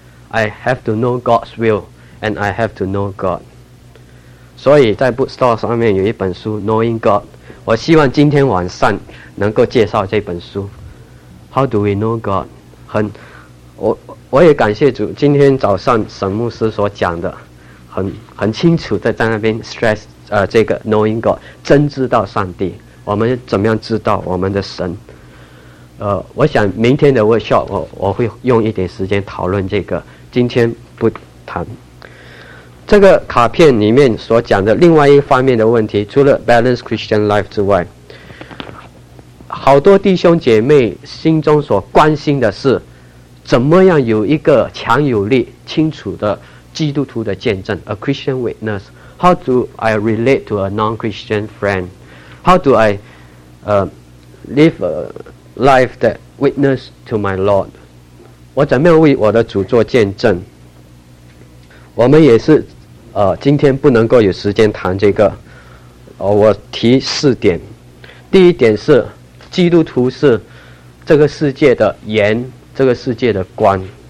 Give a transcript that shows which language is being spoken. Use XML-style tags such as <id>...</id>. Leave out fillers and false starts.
<en>I have to know God's will, and I have to know God.</en> <zh>所以在 bookstore 上面有一本书 Knowing God. 我希望今天晚上能够介绍这本书。</zh> <en>How do we know God?</en> <zh>我也感谢主，今天早上沈牧师所讲的很清楚的在那边 stress 这个 knowing God 真知道上帝，我们怎么样知道我们的神。我想明天的 workshop 我会用一点时间讨论这个，今天不谈。这个卡片里面所讲的另外一方面的问题，除了 balance Christian life 之外，好多弟兄姐妹心中所关心的是怎么样有一个强有力清楚的基督徒的见证，</zh> <en>A Christian witness. How do I relate to a non-Christian friend? How do I live a life that witness to my Lord?</en> <zh>我怎么样为我的主做见证？我们也是今天不能够有时间谈这个，我提四点。第一点是基督徒是这个世界的盐，这个世界的光。</zh>